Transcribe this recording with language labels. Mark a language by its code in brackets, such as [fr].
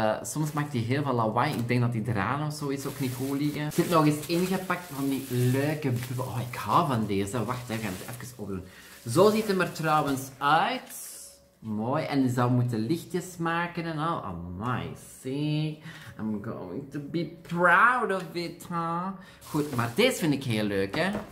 [nl] Soms maakt die heel veel lawaai. Ik denk dat die draden of zo is ook niet goed liggen. Ik heb nog eens ingepakt van die leuke bubbel. Oh, ik hou van deze. Wacht, ik ga het even opdoen. Zo ziet hem er trouwens uit. Mooi. En die zou moeten lichtjes maken en al. [en] Oh my, see. I'm going to be proud of it, huh? [nl] Goed, maar deze vind ik heel leuk, hè.